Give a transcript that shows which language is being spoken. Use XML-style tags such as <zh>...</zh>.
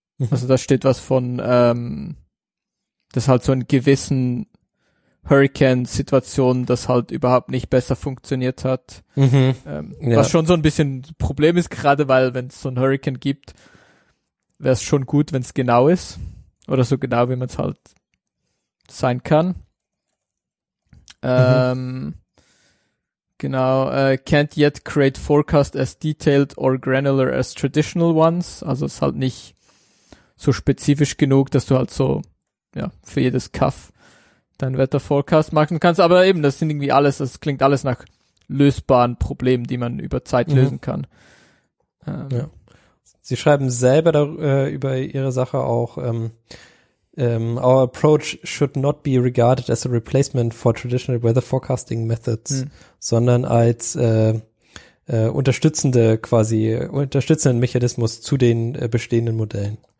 <de>Also da steht was von, dass halt so in gewissen Hurricane-Situationen das halt überhaupt nicht besser funktioniert hat. Was schon so ein bisschen Problem ist, gerade weil wenn es so ein Hurricane gibt, wäre es schon gut, wenn es genau ist. Oder so genau, wie man es halt sein kann.</de> <en>Can't yet create forecast as detailed or granular as traditional ones.</en> <de>Also ist halt nicht so spezifisch genug, dass du halt so, ja, für jedes Kaff dein Wetterforecast machen kannst. Aber eben, das sind irgendwie alles, das klingt alles nach lösbaren Problemen, die man über Zeit lösen kann. Sie schreiben selber über ihre Sache auch,</de> <en>our approach should not be regarded as a replacement for traditional weather forecasting methods,</en> <de>sondern als unterstützenden Mechanismus zu den bestehenden Modellen.</de>